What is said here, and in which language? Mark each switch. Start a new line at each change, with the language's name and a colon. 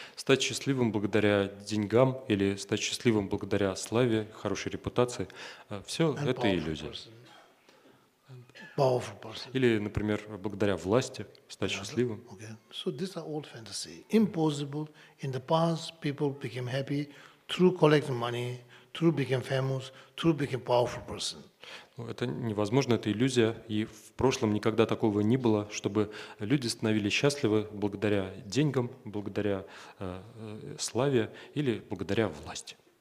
Russian: Стать счастливым благодаря деньгам или стать счастливым благодаря славе, хорошей репутации, все
English: And
Russian: это иллюзия.
English: Powerful person.
Russian: Или, например, благодаря власти стать счастливым.
English: Okay. So these are all fantasy. Impossible. In the past, people became happy through collecting money, through became famous, through became powerful person.
Russian: Это невозможно, это иллюзия, и в прошлом никогда такого не было, чтобы люди становились счастливы благодаря деньгам, благодаря славе или благодаря власти.